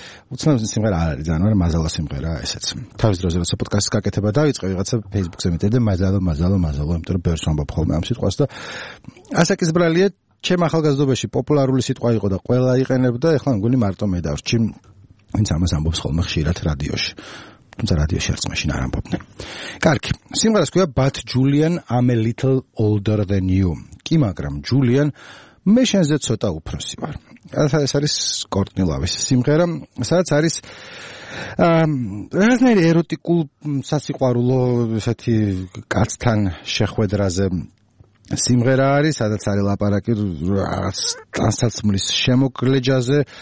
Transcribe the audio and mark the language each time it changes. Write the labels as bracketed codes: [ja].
[ka] უცნაური სიმღერა არ არის, ძალიან მაზალო სიმღერაა ესეც. თავის დროზე როცა პოდკასტს გაკეთება დაიწყე, ვიღაცა Facebook-ზე მეტყვი და მაზალო, იმიტომ რომ ბევრს ამბობ ხოლმე ამ სიტყვას და ასაკის ბრალია, ჩემ ახალგაზრდობაში პოპულარული სიტყვა იყო და ყველა იყენებდა, ეხლა მგონი მარტო მე დავრჩი, ვინც ამას ამბობს ხოლმე ხშირად რადიოში. თუმცა რადიოში არც მაშინ არ ამბობდნენ. კარგი, სიმღერას ქვია [en] But Julian I'm a little older than you. [ka] კი, მაგრამ Julian, მე შენზე ცოტა უფროსი ვარ. ეს არის Courtney Love-ის სიმღერა, სადაც არის რაღაცნაირი ეროტიკულ სასიყვარულო ესეთი კაცთან შეხვედრაზე სიმღერა არის, სადაც არის ლაპარაკი რაღაც ტანსაცმლის შემოკლეჯაზე.